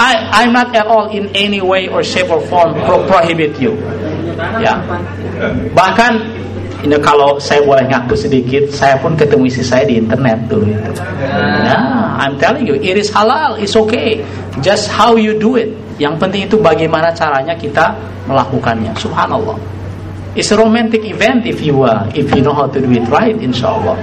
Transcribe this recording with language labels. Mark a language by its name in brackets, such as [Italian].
[English] I'm not at all in any way or shape or form prohibit you. Ya. [Indonesian] Bahkan ini kalau saya boleh ngaku sedikit, saya pun ketemu istri saya di internet dulu itu. [English] Nah, I'm telling you, it is halal, it's okay. Just how you do it. [Indonesian] Yang penting itu bagaimana caranya kita melakukannya. [Arabic] Subhanallah. [English] It's a romantic event if you know how to do it right, insyaallah.